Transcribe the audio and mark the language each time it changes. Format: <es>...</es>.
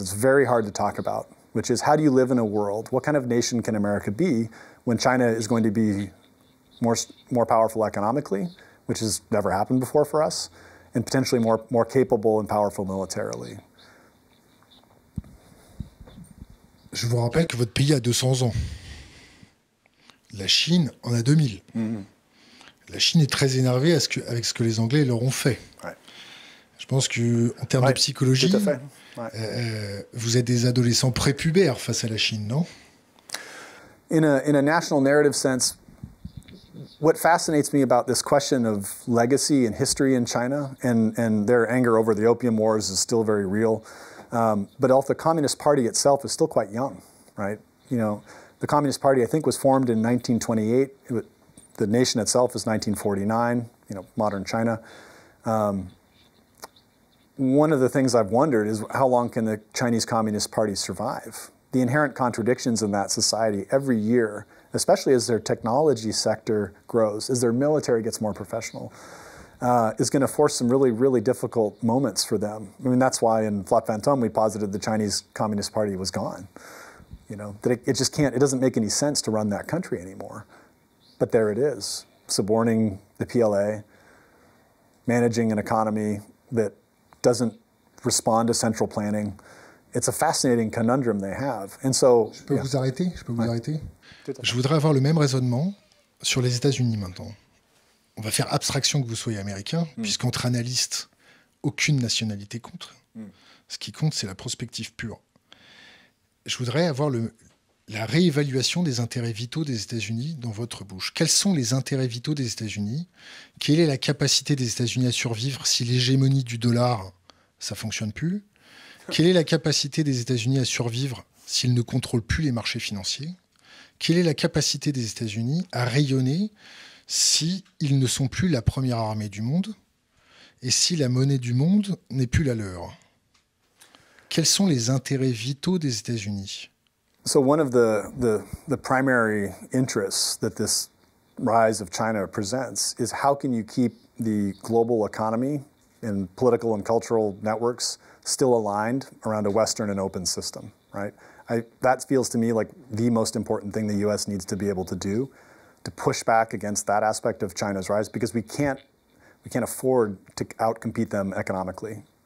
<en>It's very hard to talk about, which is how do you live in a world? What kind of nation can America be when China is going to be more powerful economically, which has never happened before for us, and potentially more capable and powerful militarily?</en> <fr>Je vous rappelle que votre pays a 200 ans. La Chine en a 2000. Mm-hmm. La Chine est très énervée avec ce que les Anglais leur ont fait. Ouais. Je pense qu'en termes de psychologie, tout à fait. Vous êtes des adolescents prépubères face à la Chine, non?</fr> <en>In a national narrative sense, what fascinates me about this question of legacy and history in China and their anger over the opium wars is still very real. But also the Communist Party itself is still quite young, right? You know, the Communist Party, I think, was formed in 1928. The nation itself is 1949, you know, modern China. One of the things I've wondered is how long can the Chinese Communist Party survive? The inherent contradictions in that society every year, especially as their technology sector grows, as their military gets more professional, is going to force some really, really difficult moments for them. I mean, that's why in Flat Fantôme we posited the Chinese Communist Party was gone. You know, that it doesn't make any sense to run that country anymore. But there it is, suborning the PLA, managing an economy that doesn't respond to central planning, it's a fascinating conundrum they have. And so,</en> <fr>je peux vous arrêter? Je peux vous arrêter? Je voudrais avoir le même raisonnement sur les États-Unis maintenant. On va faire abstraction que vous soyez américain, puisqu'entre analystes, aucune nationalité compte. Ce qui compte, c'est la prospective pure. Je voudrais avoir la réévaluation des intérêts vitaux des États-Unis dans votre bouche. Quels sont les intérêts vitaux des États-Unis? Quelle est la capacité des États-Unis à survivre si l'hégémonie du dollar, ça ne fonctionne plus? Quelle est la capacité des États-Unis à survivre s'ils ne contrôlent plus les marchés financiers? Quelle est la capacité des États-Unis à rayonner s'ils ne sont plus la première armée du monde et si la monnaie du monde n'est plus la leur? Quels sont les intérêts vitaux des États-Unis?</fr> <en>So one of the primary interests that this rise of China presents is how can you keep the global economy and political and cultural networks still aligned around a Western and open system, right? That feels to me like the most important thing the US needs to be able to do to push back against that aspect of China's rise, because we can't afford to outcompete them economically.</en>